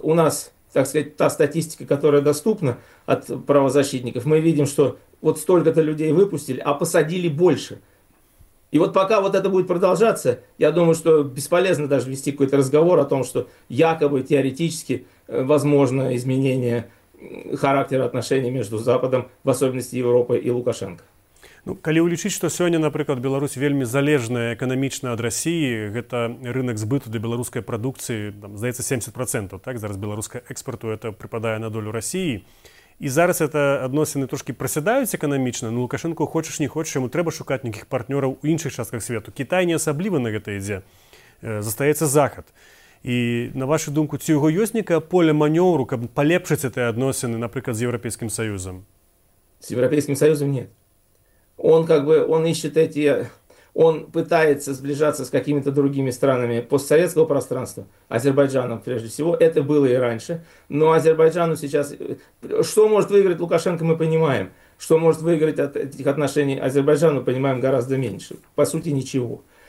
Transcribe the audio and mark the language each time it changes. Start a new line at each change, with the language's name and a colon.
Russian: У нас, так сказать, та статистика, которая доступна от правозащитников, мы видим, что вот столько-то людей выпустили, а посадили больше. И вот пока вот это будет продолжаться, я думаю, что бесполезно даже вести какой-то разговор о том, что якобы теоретически возможно изменение характера отношений между Западом, в особенности Европой і Лукашенко.
Belarusian: Ну, калі ўлічыць, што сёння, напрыклад, Беларусь вельмі залежная эканамічна ад Расіі, гэта рынак збыту для беларускай прадукцыі, там, здаецца, 70%, так, зараз беларускага экспарту это прыпадае на долю Расіі. І зараз это адносіны трошкі прасядаюць эканамічна, ну Лукашенко хочаш не хочаш, яму трэба шукаць нейкіх партнёраў у іншых частках свету. Кітай не асабліва на гэта ідзе. Застаецца Захад. І на вашу думку, ці яго ёсць нейкае поле манёўру, каб палепшыць гэтыя адносіны, напрыклад, з Еўрапейскім Саюзам? З Еўрапейскім Саюзам не.
Russian: Он как бы, он ищет он пытается сближаться с какими-то другими странами постсоветского пространства, Азербайджаном прежде всего, это было и раньше, но Азербайджану сейчас, что может выиграть Лукашенко, мы понимаем, что может выиграть от этих отношений Азербайджану, понимаем гораздо меньше, по сути ничего.